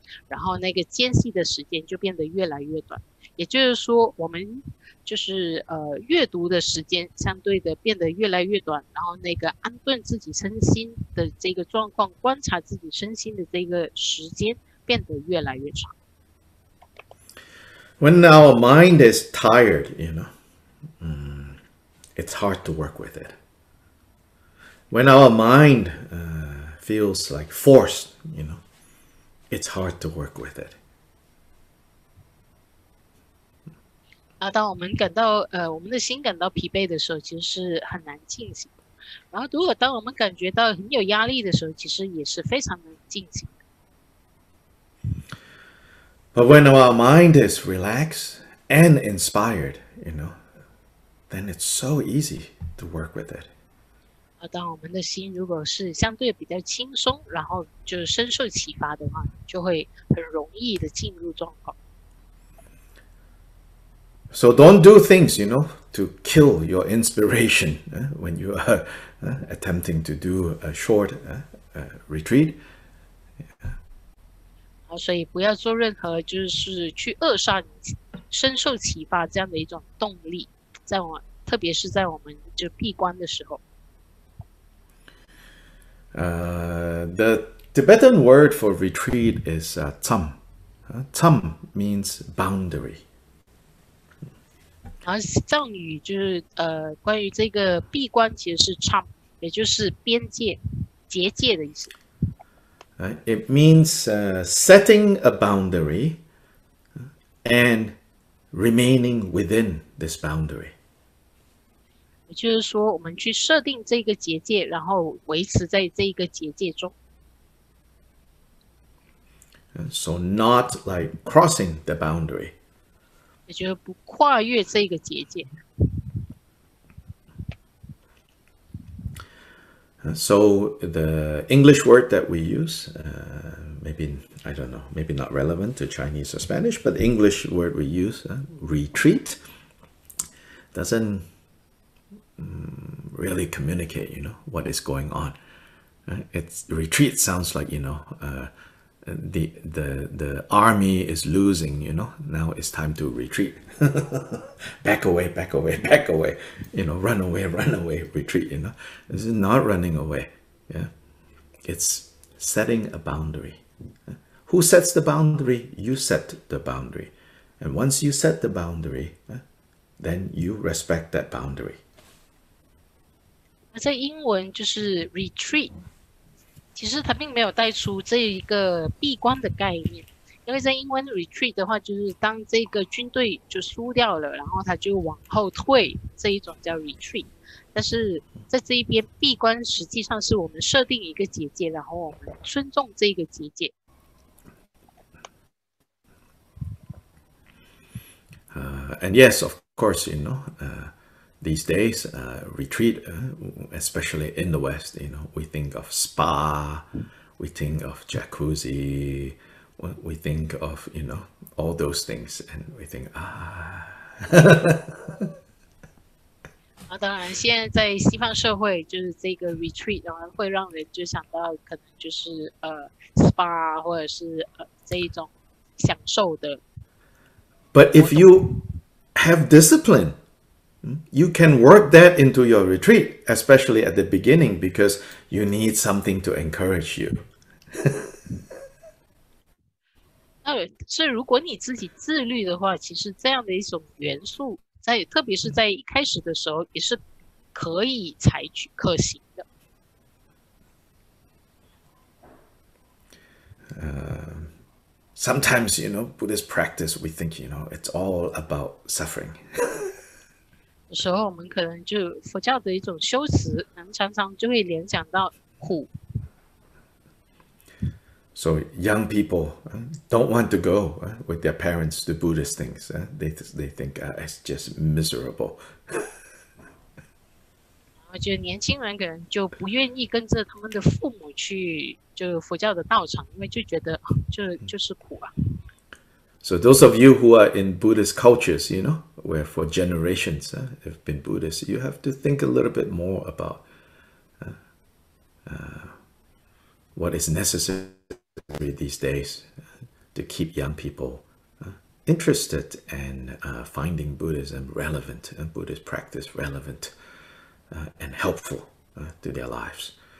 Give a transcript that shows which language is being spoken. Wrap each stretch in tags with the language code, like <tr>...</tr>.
<zh>然后那个间隙的时间就变得越来越短。也就是说，我们就是阅读的时间相对的变得越来越短，然后那个安顿自己身心的这个状况，观察自己身心的这个时间变得越来越长。</zh> <en>When our mind is tired, you know, it's hard to work with it. When our mind feels like forced, you know, it's hard to work with it.</en> <zh>当我们感到我们的心感到疲惫的时候，其实是很难进行。然后，如果当我们感觉到很有压力的时候，其实也是非常难进行。</zh> <en>But when our mind is relaxed and inspired, you know, then it's so easy to work with it.</en> <zh>当我们的心如果是相对比较轻松，然后就深受启发的话，就会很容易的进入状况。</zh> <en>So don't do things, you know, to kill your inspiration when you are attempting to do a short retreat. Yeah.</en> <zh>所以不要做任何就是去扼杀你深受启发这样的一种动力，在我特别是在我们就闭关的时候。</zh> <en>The Tibetan word for retreat is tsam. Tsam means boundary.</en> <zh>然后藏语就是关于这个闭关其实是 tsam， 也就是边界、结界的意思。</zh> <en>It means setting a boundary and remaining within this boundary.</en> <zh>也就是说，我们去设定这个结界，然后维持在这个结界中。</zh> <en>So not like crossing the boundary.</en> <zh>也就是不跨越这个结界。</zh> <en>So the English word that we use, maybe, I don't know, maybe not relevant to Chinese or Spanish, but the English word we use, retreat, doesn't really communicate, you know, what is going on. Retreat sounds like, you know, the army is losing, you know, now it's time to retreat. Back away, back away, back away, you know, run away, retreat, you know. This is not running away, yeah. It's setting a boundary. Who sets the boundary? You set the boundary. And once you set the boundary, then you respect that boundary.</en> <zh>在英文就是 retreat, 其实它并没有带出这一个闭关的概念。因为在英文 retreat 的话，就是当这个军队就输掉了，然后他就往后退，这一种叫 retreat。但是在这一边闭关，实际上是我们设定一个结界，然后我们尊重这个结界。</zh> <en>And yes, of course, you know, these days, retreat, especially in the West, you know, we think of spa, we think of jacuzzi. We think of, you know, all those things, and we think, ah.</en> <zh>啊，当然，现在在西方社会，就是这个 retreat， 然后会让人就想到可能就是spa 或者是这一种享受的。</zh> <en>But if you have discipline, you can work that into your retreat, especially at the beginning, because you need something to encourage you.</en> <zh>所以如果你自己自律的话，其实这样的一种元素在特别是在一开始的时候也是可以采取可行的。</zh> <en>Sometimes, you know, Buddhist practice, we think, you know, it's all about suffering.</en> <zh>有时候我们可能就佛教的一种修辞常常就会联想到苦。</zh> <en>So young people don't want to go with their parents to Buddhist things. They think it's just miserable.</en> <zh>就年轻人可能就不愿意跟着他们的父母去就佛教的道场，因为就觉得就是苦啊。</zh> <en>So those of you who are in Buddhist cultures, you know, where for generations have been Buddhist, you have to think a little bit more about what is necessary.these days to keep young people interested in finding Buddhism relevant and Buddhist practice relevant and helpful to their lives.</en>